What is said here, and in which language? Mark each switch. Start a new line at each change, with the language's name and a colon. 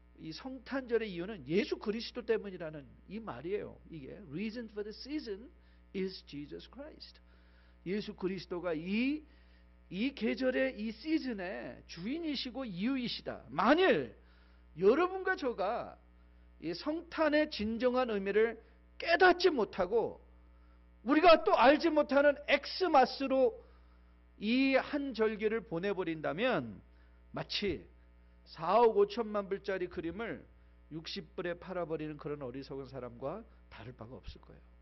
Korean: 이 성탄절의 이유는 예수 그리스도 때문이라는 이 말이에요. 이게
English: reason for the season is Jesus Christ.
Korean: 예수 그리스도가 이 계절의 이 시즌의 주인이시고 이유이시다. 만일 여러분과 저가 이 성탄의 진정한 의미를 깨닫지 못하고 우리가 또 알지 못하는 엑스마스로 이 한 절기를 보내버린다면 마치 4억 5천만 불짜리 그림을 60불에 팔아버리는 그런 어리석은 사람과 다를 바가 없을 거예요.